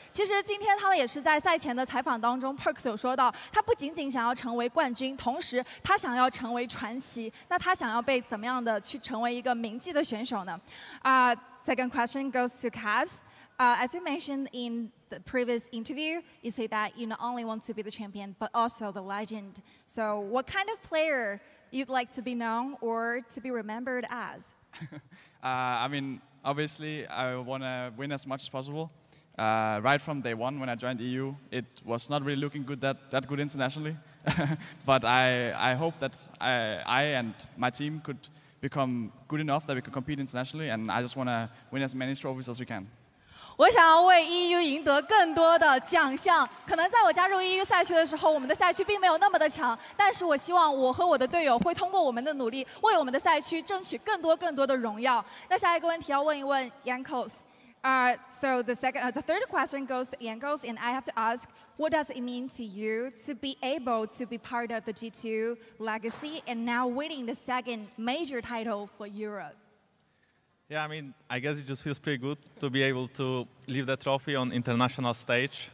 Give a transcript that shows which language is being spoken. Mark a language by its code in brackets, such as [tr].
[zh] 其实今天他们也是在赛前的采访当中 ，Perks 有说到，他不仅仅想要成为冠军，同时他想要成为传奇。那他想要被怎么样的去成为一个铭记的选手呢？ [en] Second question goes to Cavs. As you mentioned in the previous interview, you say that you not only want to be the champion but also the legend. So, what kind of player you'd like to be known or to be remembered as? I mean, obviously, I want to win as much as possible. Right from day one when I joined EU, it was not really looking good that good internationally. But I hope that I and my team could become good enough that we could compete internationally, and I just want to win as many trophies as we can. [zh] 我想要为 EU 赢得更多的奖项。可能在我加入 EU 赛区的时候，我们的赛区并没有那么的强。但是我希望我和我的队友会通过我们的努力，为我们的赛区争取更多更多的荣耀。那下一个问题要问一问 Yankos. [en] The third question goes to Yankos, and I have to ask, what does it mean to you to be able to be part of the G2 legacy and now winning the second major title for Europe? Yeah, I mean, I guess it just feels pretty good to be able to leave the trophy on international stage.